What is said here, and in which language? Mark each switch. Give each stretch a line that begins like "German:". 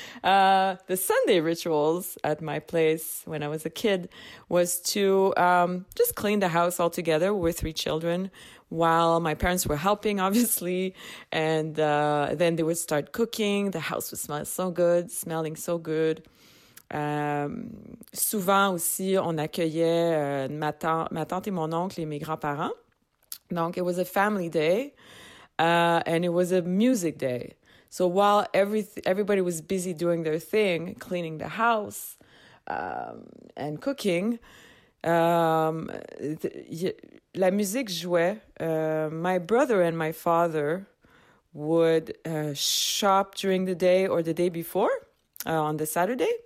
English: The Sunday rituals at my place when I was a kid was to just clean the house all together with three children while my parents were helping, obviously. And then they would start cooking. The house would smell so good.
French: Souvent aussi, on accueillait ma tante et mon oncle et mes grands-parents. Donc,
English: it was a family day, and it was a music day. So while everybody was busy doing their thing, cleaning the house and cooking,
French: la musique jouait.
English: My brother and my father would shop during the day or the day before on the Saturday.